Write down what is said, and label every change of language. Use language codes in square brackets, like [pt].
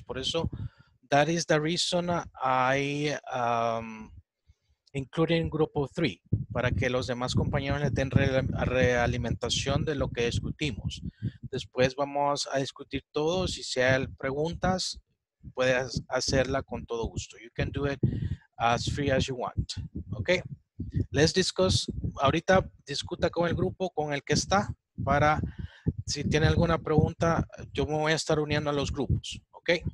[es] Por eso, [en] that is the reason I included in group of three, [es] para que los demás compañeros le den realimentación de lo que discutimos. Después vamos a discutir todo. Si hay preguntas, puedes hacerla con todo gusto. [en] You can do it as free as you want. Ok. Let's discuss. [es] Ahorita discuta con el grupo con el que está. Para si tiene alguna pregunta, yo me voy a estar uniendo a los grupos. [en] Ok.